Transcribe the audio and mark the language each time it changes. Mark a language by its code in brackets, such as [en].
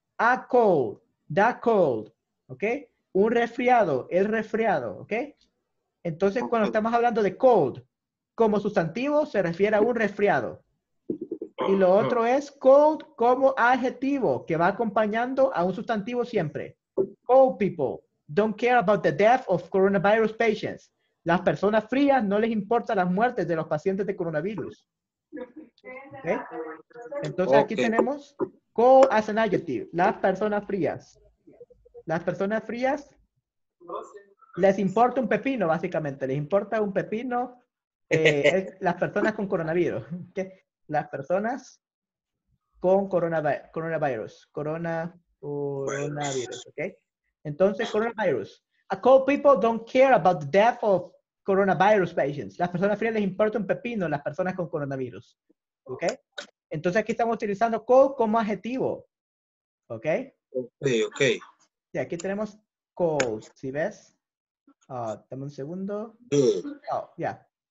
[en] A cold, da cold, [es] ¿ok? Un resfriado, el resfriado, ¿ok? Entonces, cuando estamos hablando de cold, como sustantivo, se refiere a un resfriado. Y lo otro es cold como adjetivo, que va acompañando a un sustantivo siempre. [en] Cold people don't care about the death of coronavirus patients. [es] Las personas frías no les importa las muertes de los pacientes de coronavirus. ¿Okay? Entonces aquí tenemos [en] cold as an adjective. [es] Las personas frías. Las personas frías les importa un pepino, básicamente. Les importa un pepino las personas con coronavirus. ¿Okay? Las personas con coronavirus. ¿Okay? Entonces, coronavirus. [en] A cold people don't care about the death of coronavirus patients. [es] Las personas frías les importa un pepino, las personas con coronavirus. ¿Okay? Entonces, aquí estamos utilizando cold como adjetivo. ¿Ok? Ok. Sí, aquí tenemos cold, ¿sí ves? Dame un segundo. [en] Oh, yeah.